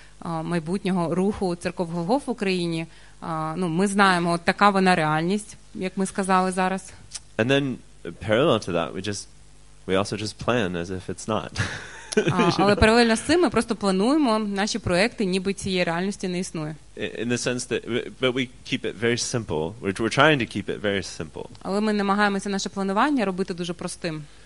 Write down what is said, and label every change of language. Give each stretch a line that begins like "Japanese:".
Ukrainian: майбутнього руху церковного в Україні, ну, ми знаємо, от така вона реальність, як ми сказали зараз.
English: And then parallel to that, we also just plan as if it's not.
Ukrainian: Але паралельно з цим ми просто плануємо наші проекти, ніби цієї реальності не існує.
English: In the sense that we keep it very simple. We're trying to keep it very simple.
Ukrainian: Але ми намагаємося наше планування робити дуже простим.